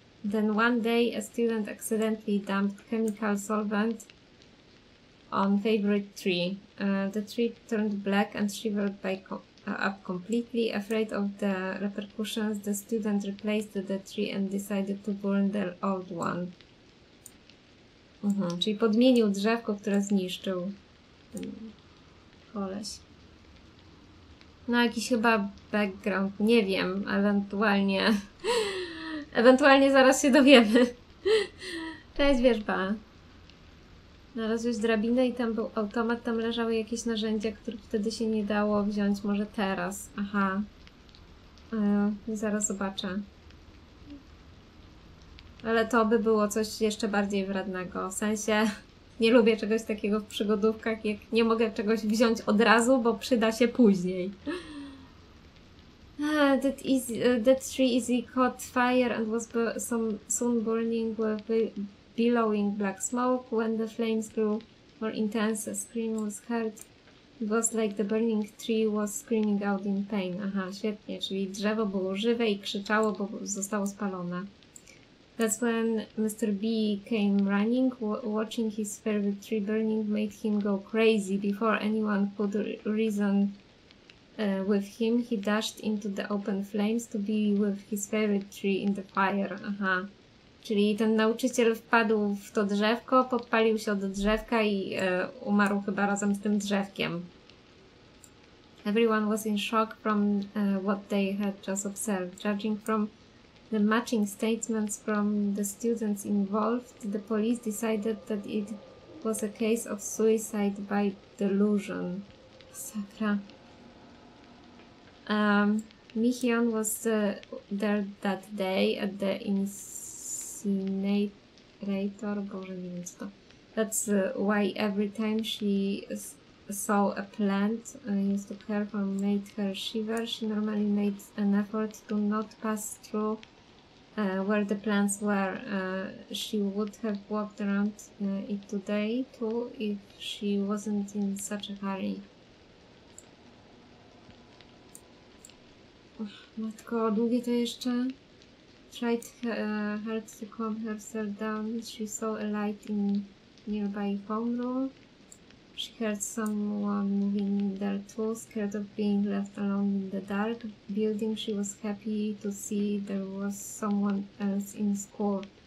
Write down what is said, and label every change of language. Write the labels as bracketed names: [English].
[English] Then one day a student accidentally dumped chemical solvent on favorite tree. The tree turned black and shriveled up completely. Afraid of the repercussions, the student replaced the tree and decided to burn the old one. [Polish] Mhm, czyli podmienił drzewko, które zniszczył ten koleś. No jakiś chyba background, nie wiem, ewentualnie. Ewentualnie zaraz się dowiemy. Cześć, wierzba. Znalazłeś drabinę i tam był automat, tam leżały jakieś narzędzia, których wtedy się nie dało wziąć, może teraz. Aha. Zaraz zobaczę. Ale to by było coś jeszcze bardziej wrednego. W sensie, nie lubię czegoś takiego w przygodówkach, jak nie mogę czegoś wziąć od razu, bo przyda się później. [English] That tree easy caught fire and was soon burning with billowing black smoke. When the flames grew more intense, a scream was heard. It was like the burning tree was screaming out in pain. [Polish] Aha, świetnie, czyli drzewo było żywe i krzyczało, bo zostało spalone. [English] That's when Mr. B came running. Watching his favorite tree burning made him go crazy. Before anyone could reason with him, he dashed into the open flames to be with his favorite tree in the fire. [Polish] Aha. Czyli ten nauczyciel wpadł w to drzewko, podpalił się od drzewka i umarł chyba razem z tym drzewkiem. [English] Everyone was in shock from what they had just observed. Judging from the matching statements from the students involved, the police decided that it was a case of suicide by delusion. Sakra. Michion was there that day at the incinerator. [Polish] Boże, nie wiem co to. [English] That's why every time she saw a plant used to care for made her shiver. She normally made an effort to not pass through where the plants were. She would have walked around it today too if she wasn't in such a hurry. [Polish] Matko, długie to jeszcze? [English] Tried hard to calm herself down. She saw a light in nearby homeroom. She heard someone moving in there too, scared of being left alone in the dark building. She was happy to see there was someone else in school.